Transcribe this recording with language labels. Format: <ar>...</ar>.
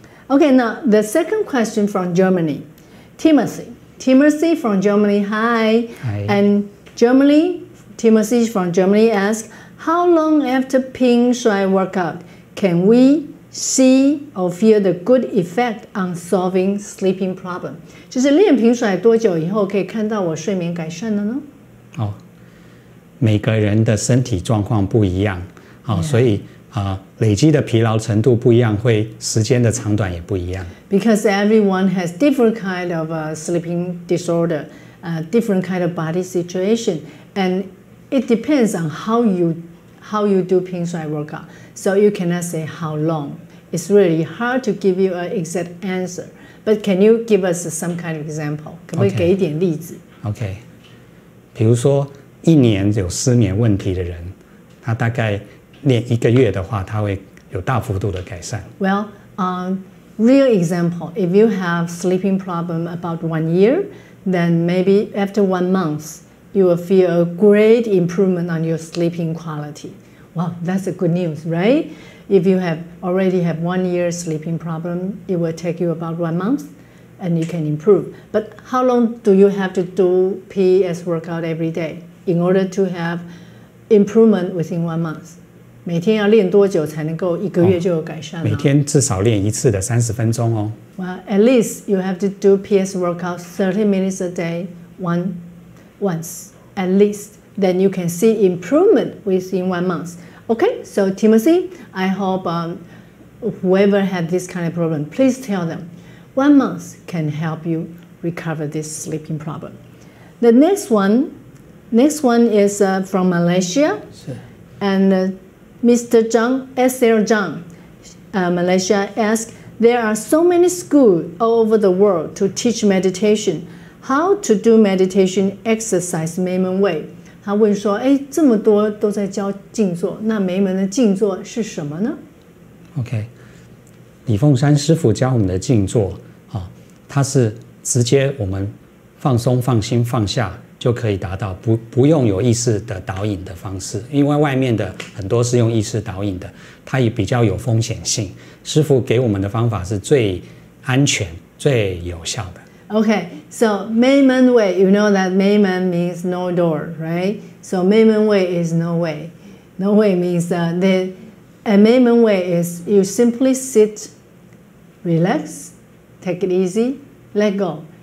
<en>Okay, now the second question from Germany. Timothy from Germany, hi. And Timothy from Germany asks, how long after Ping Shuai workout can we see or feel the good effect on solving sleeping problem?</en> <zh>就是练Ping Shuai多久以后可以看到我睡眠改善了呢？哦，每个人的身体状况不一样，所以累积的疲劳程度不一样，会时间的长短也不一样。</zh> <en>Because everyone has different kind of sleeping disorder, different kind of body situation, and it depends on how you do Ping Shuai workout. So you cannot say how long. It's really hard to give you an exact answer. But can you give us some kind of example?</en> <zh>可不可以给一点例子</zh> <en>？Okay.</en> <zh>比如说一年有失眠问题的人，他大概练一个月的话，他会有大幅度的改善。</zh> <en>Well, real example, if you have sleeping problem about 1 year, then maybe after 1 month, you will feel a great improvement on your sleeping quality. Well, that's a good news, right? If you already have 1 year sleeping problem, it will take you about 1 month, and you can improve. But how long do you have to do PS workout every day in order to have improvement within 1 month?</en> <zh>每天要练多久才能够一个月就有改善呢？每天至少练一次的30分钟哦。</zh> <en>Well, at least you have to do PS workout 30 minutes a day once. At least, then you can see improvement within 1 month. Okay, so Timothy, I hope whoever had this kind of problem, please tell them 1 month can help you recover this sleeping problem. The next one, Next one is from Malaysia. And Mr. Zhang, S.L. Zhang, Malaysia asks, there are so many schools all over the world to teach meditation. How to do meditation exercise Meimen way?</en> <zh>他问说，哎，这么多都在教静坐，那梅门的静坐是什么呢？ OK， 李凤山师父教我们的静坐，它是直接我们放松放心放下就可以达到 不用有意识的导引的方式，因为外面的很多是用意识导引的，它也比较有风险性，师父给我们的方法是最安全最有效的。</zh> <en>OK， so Meimen way, you know that Meimen means no door, right? So Meimen way is no way. No way means a Meimen way is you simply sit, relax, take it easy,Let go.</en>